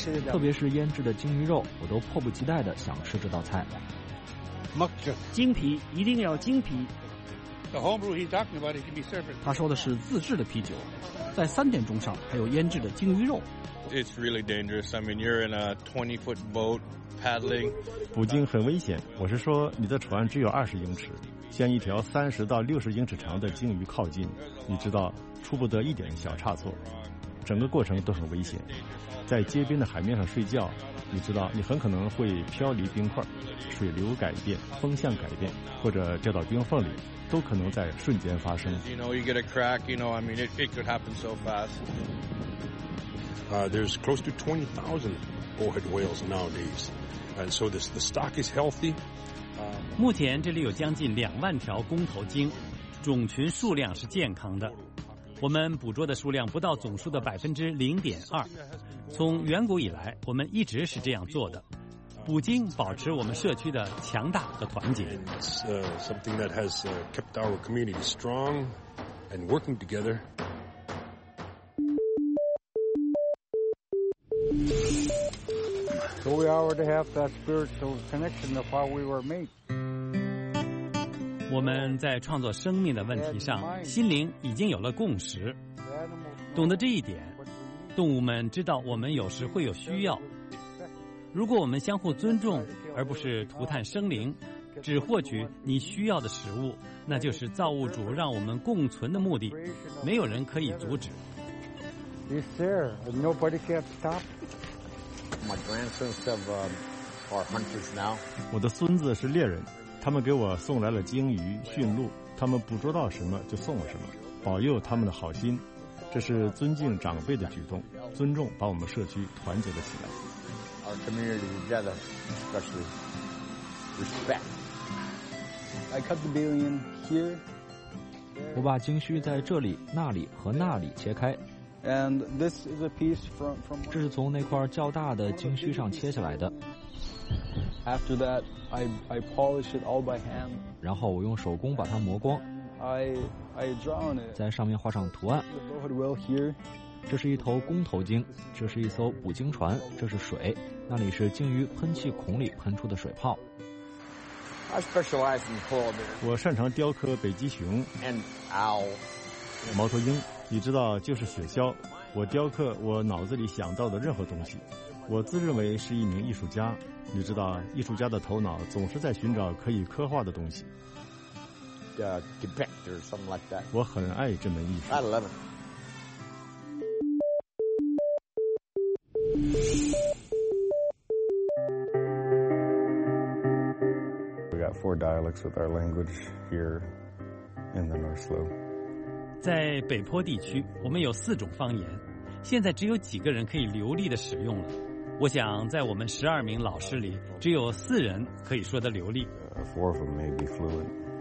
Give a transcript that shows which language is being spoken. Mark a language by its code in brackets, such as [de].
[zh] 特别是腌制的鲸鱼肉，我都迫不及待地想吃这道菜。鲸皮一定要鲸皮，他说的是自制的啤酒，在3点钟上还有腌制的鲸鱼肉。 [en] It's really dangerous. I mean, you're in a 20-foot boat paddling. [zh] 捕鲸很危险。我是说，你的船只有20英尺，向一条30到60英尺长的鲸鱼靠近，你知道，出不得一点小差错。整个过程都很危险。在街边的海面上睡觉，你知道，你很可能会漂离冰块，水流改变，风向改变，或者掉到冰缝里，都可能在瞬间发生。 [en] You know, you get a crack. You know, I mean, it could happen so fast. There's close to 20,000 bowhead whales nowadays, and so the stock is healthy. [zh] 目前这里有将近20,000条公头鲸，种群数量是健康的。我们捕捉的数量不到总数的0.2%。从远古以来，我们一直是这样做的。捕鲸保持我们社区的强大和团结。 [en] It's something that has kept our community strong and working together. So we already have that spiritual connection of how we were made. [zh] 我们在创作生命的问题上，心灵已经有了共识。懂得这一点，动物们知道我们有时会有需要。如果我们相互尊重，而不是涂炭生灵，只获取你需要的食物，那就是造物主让我们共存的目的，没有人可以阻止。 [en] It's there, and nobody can stop. My grandsons have, are hunters now. [zh] 我的孙子是猎人，他们给我送来了鲸鱼、驯鹿，他们捕捉到什么就送了什么，保佑他们的好心，这是尊敬长辈的举动，尊重把我们社区团结了起来。 [en] Our community together, especially respect. I cut the billion here. [zh] 我把鲸须在这里、那里和那里切开。 [en] And this is a piece from. [zh] 这是从那块较大的鲸须上切下来的。 [en] After that, I polish it all by hand. [zh] 然后我用手工把它磨光。 [en] I draw on it. [zh] 在上面画上图案。 [en] The bowhead whale here. [zh] 这是一头公头鲸，这是一艘捕鲸船，这是水，那里是鲸鱼喷气孔里喷出的水泡。 [en] I specialize in polar bears. [zh] 我擅长雕刻北极熊。 [en] And owl. [zh] 猫头鹰。你知道，就是雪橇。我雕刻我脑子里想到的任何东西。我自认为是一名艺术家。你知道，艺术家的头脑总是在寻找可以刻画的东西。 [en] Depict or something like that. [zh] 我很爱这门艺术。 [en] I love it. 4 dialects with our language here in the North Slope. [zh] 在北坡地区，我们有4种方言，现在只有几个人可以流利地使用了。我想，在我们12名老师里，只有4人可以说得流利。 [en] Four of them may be fluent.